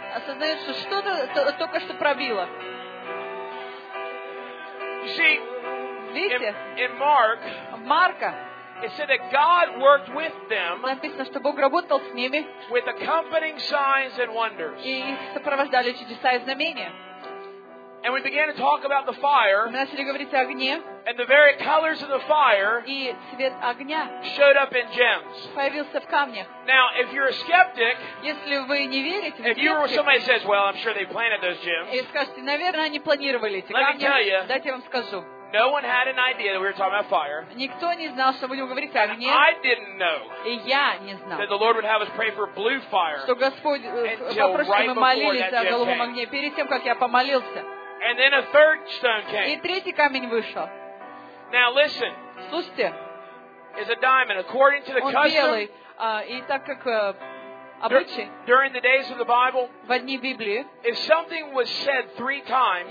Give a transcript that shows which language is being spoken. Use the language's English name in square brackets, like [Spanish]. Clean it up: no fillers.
[Russian] Осознаешь, что-то только что пробило. [English] You see, in Mark, it said that God worked with them. [Russian] Написано, что Бог работал с ними. [English] With accompanying signs and wonders. [Russian] И сопровождали чудеса и знамения. [English] And we began to talk about the fire. [Russian] Мы начали говорить о огне. [English] And the very colors of the fire. [Russian] И цвет огня. [English] Showed up in gems. [Russian] Появился в камнях. [English] Now, if you're a skeptic, [Russian] если вы не верите, [English] if you were somebody says, well, I'm sure they planted those gems. [Russian] И скажете, наверное, они планировали эти камни. [English] Let me tell you. [Russian] Дайте я вам скажу. [English] No one had an idea that we were talking about fire. [Russian] Никто не знал, что будем говорить о огне. [English] I didn't know. [Russian] И я не знал. [English] That the Lord would have us pray for blue fire. [Russian] Что Господь попросил мы молились о голубом огне перед тем, как я помолился. [English] And then a third stone came. [Russian] И третий камень вышел. [English] Now listen. [Russian] Слушайте. [English] Is a diamond according to the custom. [Russian] Он белый. И так как обычай. [English] During the days of the Bible. [Russian] В дни Библии. [English] If something was said three times.